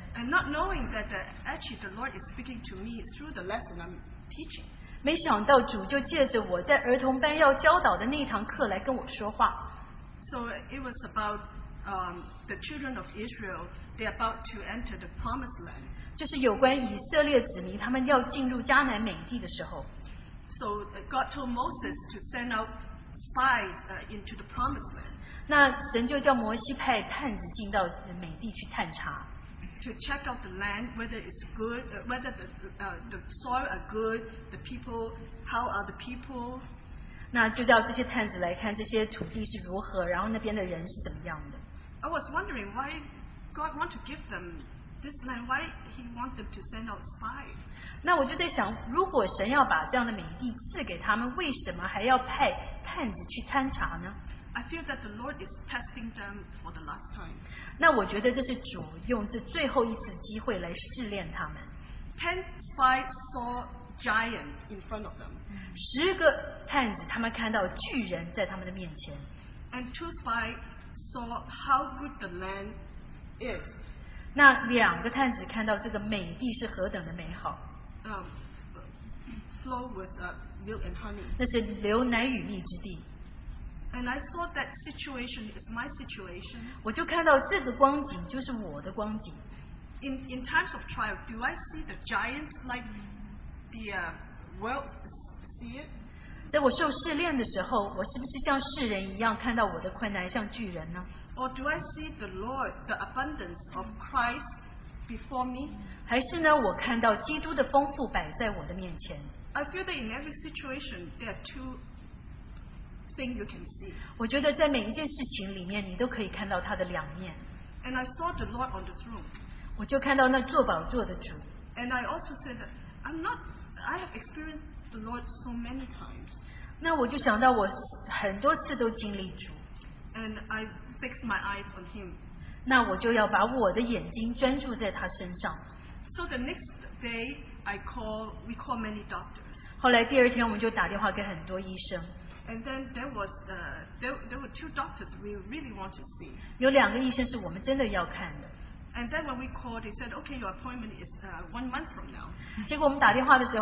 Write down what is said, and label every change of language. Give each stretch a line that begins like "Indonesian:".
English: And not knowing that actually the Lord is speaking to me through the lesson I'm teaching.
Chinese: 没想到主就借着我在儿童班要教导的那一堂课来跟我说话。
English: So it was about the children of Israel. They're about to enter the Promised Land.
Chinese: 就是有关以色列子民他们要进入迦南美地的时候。
English: So God told Moses to send out spies into the Promised Land.
Chinese: 那神就叫摩西派探子进到美地去探查。
English: To check out the land, whether it's good, whether the soil are good, the people, how are the people.
Chinese: 那就叫这些探子来看这些土地是如何，然后那边的人是怎么样的。
English: I was wondering why God want to give them this land, why He want them to send out spies.
Chinese: 那我就在想，如果神要把这样的美地赐给他们，为什么还要派探子去探查呢？
English: I feel that the Lord is testing them for the last time.
Chinese: 那我觉得这是主用这最后一次机会来试炼他们。
English: 10 spies saw giants in front of them.
Chinese: 十个探子他们看到巨人在他们的面前。
English: And two spies saw how good the land is.
Chinese: 那两个探子看到这个美地是何等的美好。
English: Flow with milk and honey.
Chinese: 那是流奶与蜜之地。
English: And I saw that situation is my situation.
Chinese: 我就看到这个光景就是我的光景。
English: In times of trial, do I see the giants like the world see it?
Chinese: 在我受试炼的时候，我是不是像世人一样看到我的困难像巨人呢？
English: Or do I see the Lord, the abundance of Christ before me?
Chinese: 还是呢, 我看到基督的丰富摆在我的面前?
English: I feel that in every situation, there are two things you can see.
Chinese: 我觉得在每一件事情里面, 你都可以看到他的两面。
English: And I saw the Lord on the throne.
Chinese: 我就看到那坐宝座的主。
English: And I also said that I have experienced the Lord so many times.
Chinese: 那我就想到我很多次都经历主。
English: And I fixed my eyes on him.
Chinese: 那我就要把我的眼睛专注在他身上。
English: So the next day, we call many doctors.
Chinese: 后来第二天我们就打电话给很多医生。
English: And then there were two doctors we really want to see.
Chinese: 有两个医生是我们真的要看的。
English: And then when we called, they said, okay, your appointment is 1 month from now.